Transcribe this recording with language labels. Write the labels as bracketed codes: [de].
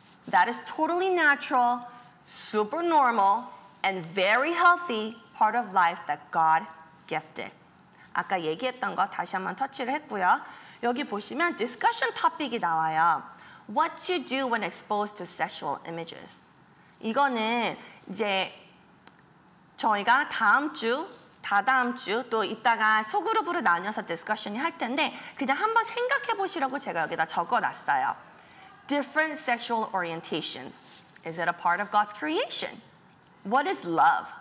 [en] That is totally natural, super normal, and very healthy part of life that God gifted. [ko] 아까 얘기했던 거 다시 한번 터치를 했고요. 여기 보시면 discussion topic이 나와요. [en] What to do when exposed to sexual images? [ko] 이거는 이제 저희가 다음 주, 다다음 주 또 이따가 소그룹으로 나눠서 discussion이 할 텐데 그냥 한번 생각해 보시라고 제가 여기다 적어놨어요. [en] Different sexual orientations. Is it a part of God's creation? What is love?